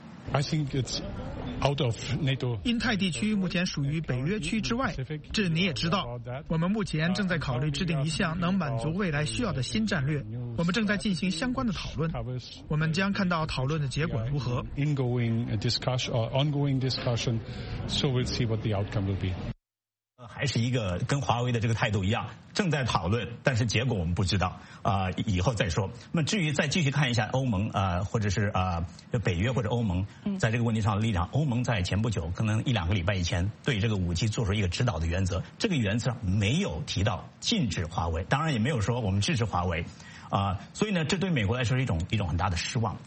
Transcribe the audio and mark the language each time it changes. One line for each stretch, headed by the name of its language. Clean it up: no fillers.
English: I think it's out of NATO.
Chinese: 印太地区目前属于北约区之外，这你也知道。我们目前正在考虑制定一项能满足未来需要的新战略，我们正在进行相关的讨论，我们将看到讨论的结果如何。
English: Ongoing discussion, so we'll see what the outcome will be.
Chinese: 还是一个跟华为的这个态度一样，正在讨论，但是结果我们不知道，以后再说。那么至于再继续看一下欧盟或者是北约或者欧盟在这个问题上的立场，欧盟在前不久可能一两个礼拜以前对这个 5G 做出一个指导的原则，这个原则上没有提到禁止华为，当然也没有说我们支持华为所以呢这对美国来说是一种很大的失望。